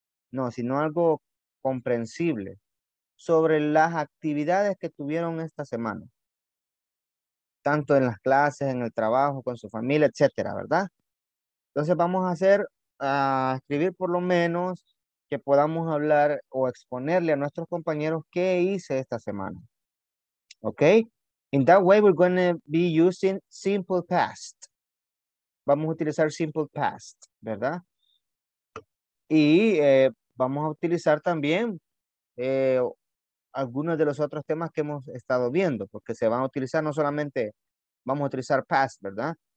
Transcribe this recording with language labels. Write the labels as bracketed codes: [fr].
[es] No, sino algo comprensible sobre las actividades que tuvieron esta semana. Tanto en las clases, en el trabajo, con su familia, etcétera, ¿verdad? Entonces vamos a hacer, a escribir por lo menos que podamos hablar o exponerle a nuestros compañeros qué hice esta semana. ¿Ok? [en] In that way, we're going to be using simple past. [es] Vamos a utilizar simple past, ¿verdad? Y vamos a utilizar también algunos de los otros temas que hemos estado viendo, porque se van a utilizar no solamente, vamos a utilizar past, ¿verdad?